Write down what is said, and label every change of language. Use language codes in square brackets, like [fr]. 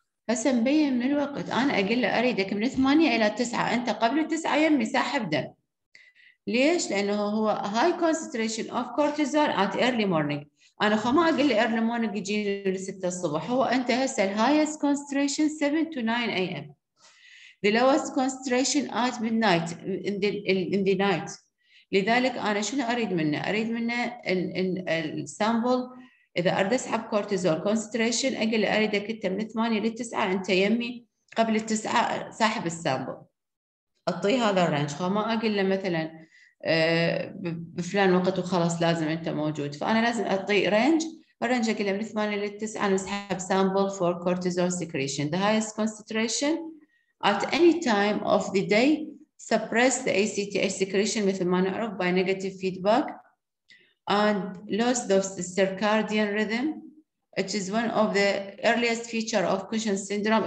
[ar] هسه مبين من الوقت، أنا أقول له أريدك من 8 إلى 9، أنت قبل 9 يمي ساحب دم. ليش؟ لأنه هو [en] High concentration of cortisol at early morning. [ar] أنا ما أقول له إيرلي مورنينج يجيني 6 الصبح، هو أنت هسه الهايست كونسنتريشن [en] 7 to 9 AM. The lowest concentration at midnight in the night. [ar] لذلك أنا شنو أريد منه؟ أريد منه in sample إذا أريد أسحب [en] cortisol concentration [ar] أقل أريدك أنت من 8 إلى 9 أنت يمي قبل 9 ساحب السامبل. أعطي هذا الرينج خو ما أقل له مثلا بفلان وقت وخلاص لازم أنت موجود. فأنا لازم أعطي رينج. الرينج أقل له من 8 إلى 9 أنا أسحب سامبل [en] for cortisol secretion. The highest concentration at any time of the day suppress the ACTH secretion [ar] مثل ما نعرف [en] by negative feedback and loss of the circadian rhythm which is one of the earliest feature of Cushing's syndrome.